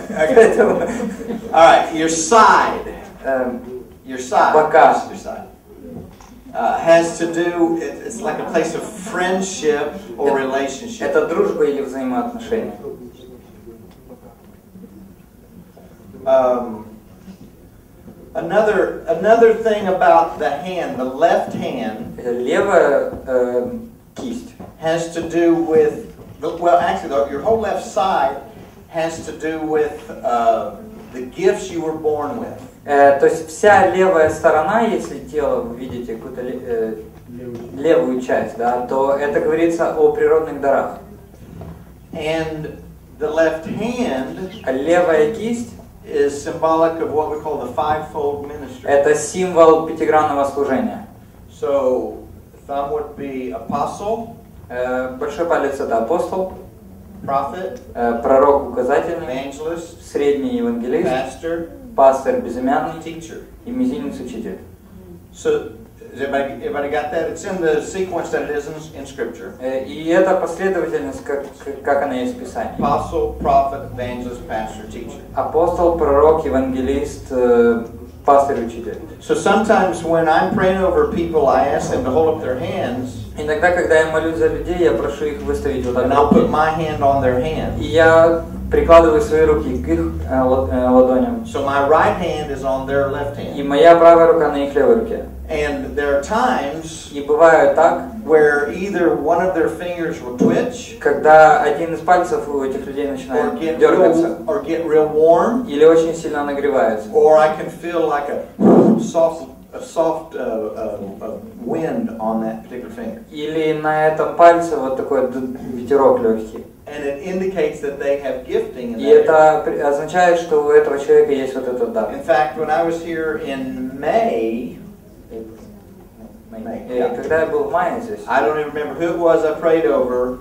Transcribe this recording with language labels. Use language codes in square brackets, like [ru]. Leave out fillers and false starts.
[en] Поэтому. All right, your side. Your side. [ru] Бока. [en] Your side. Has to do, it's like a place of friendship or relationship. [ru] Это дружба или взаимоотношения. [en] Another thing about the hand, the left hand. [ru] Левая кисть. [en] Has to do with, well actually though, your whole left side has to do with the gifts you were born with. [ru] То есть вся левая сторона, если тело вы видите какую-то левую часть, да, то это говорится о природных дарах. [en] And the left hand, [ru] а левая кисть, [en] is symbolic of what we call the fivefold ministry. [ru] Это символ пятигранного служения. [en] So thumb would be apostle. [ru] Большой палец — это апостол. [en] Prophet. [ru] Пророк указательный. [en] Evangelist. [ru] Средний евангелист. [en] Pastor. [ru] Пастор безымянный. [en] Teacher. [ru] И мизинец учитель. [en] So, everybody got that? It's in the sequence that it is in Scripture. [ru] И это последовательность, как она есть в Писании. [en] Apostle, prophet, evangelist, pastor, teacher. [ru] Апостол, пророк, евангелист, пастор, учитель. [en] So sometimes when I'm praying over people, I ask them to hold up their hands. [ru] Иногда, когда я молюсь за людей, я прошу их выставить вот так. [en] And I'll put my hand on their hand. [ru] Я прикладываю свои руки к их ладоням. [en] So my right hand is on their left hand. [ru] И моя правая рука на их левой руке. [en] And there are times, [ru] и бывает так, [en] where either one of their fingers will twitch, [ru] когда один из пальцев у этих людей начинает дергаться, [en] or get real warm, [ru] или очень сильно нагревается, [en] or I can feel like a soft a soft wind on that particular finger. [ru] Или на этом пальце вот такой ветерок легкий. [en] And it indicates that they have gifting in that. [ru] И это означает, что у этого человека есть вот этот дар. [en] In fact, when I was here in May. [ru] Когда я был в мае здесь. [en] I don't even remember who it was I prayed over.